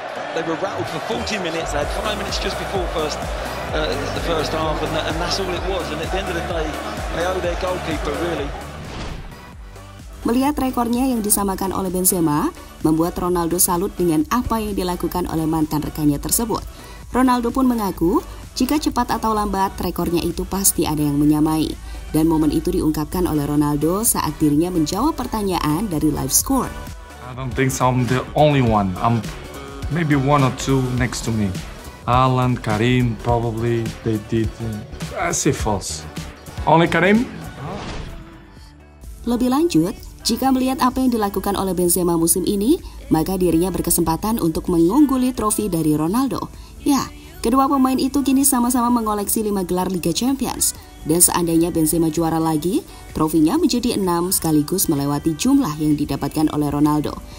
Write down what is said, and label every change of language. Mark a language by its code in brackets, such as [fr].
[en] They were rattled for 40 minutes. They had 5 minutes just before the first half and that's all it was. And at the end of the day, they owe their goalkeeper really. [id] Melihat rekornya yang disamakan oleh Benzema, membuat Ronaldo salut dengan apa yang dilakukan oleh mantan rekannya tersebut. Ronaldo pun mengaku, jika cepat atau lambat, rekornya itu pasti ada yang menyamai. Dan momen itu diungkapkan oleh Ronaldo saat dirinya menjawab pertanyaan dari live score. [en] I don't think I'm the only one. I'm maybe one or two next to me. Alan, Karim, probably they did. I say false. Only Karim? [id] Lebih lanjut, jika melihat apa yang dilakukan oleh Benzema musim ini, maka dirinya berkesempatan untuk mengungguli trofi dari Ronaldo. Ya, kedua pemain itu kini sama-sama mengoleksi 5 gelar Liga Champions. Dan seandainya Benzema juara lagi, trofinya menjadi 6 sekaligus melewati jumlah yang didapatkan oleh Ronaldo.